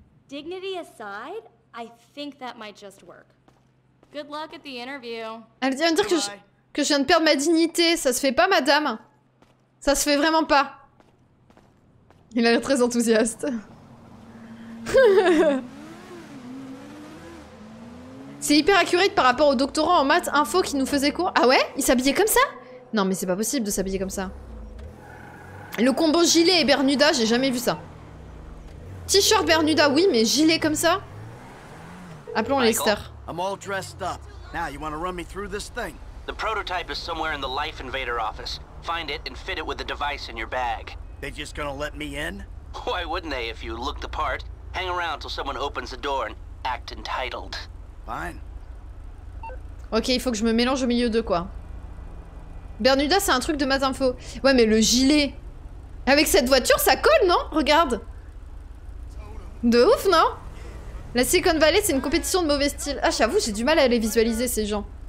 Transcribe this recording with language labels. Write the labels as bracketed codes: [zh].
[en] Dignity aside, I think that might just work. Good luck at the interview. [fr] Elle vient de dire que je viens de perdre ma dignité. Ça se fait pas, madame. Ça se fait vraiment pas. Il a l'air très enthousiaste. C'est hyper accurate par rapport au doctorant en maths info qui nous faisait cours. Ah ouais? Il s'habillait comme ça? Non, mais c'est pas possible de s'habiller comme ça. Le combo gilet et Bermuda, j'ai jamais vu ça. T-shirt Bermuda, oui, mais gilet comme ça? Appelons Lester. [en] I'm all dressed up. Now you want to run me through this thing? The prototype is somewhere in the Life Invader office. Find it and fit it with the device in your bag. They just gonna let me in? Why wouldn't they if you look the part? Hang around till someone opens the door and act entitled. Fine. [fr] Ok, il faut que je me mélange au milieu de quoi. Bermuda, c'est un truc de Math Info. Ouais, mais le gilet. Avec cette voiture, ça colle, non? Regarde. De ouf, non? La Silicon Valley, c'est une compétition de mauvais style. Ah, j'avoue, j'ai du mal à les visualiser, ces gens.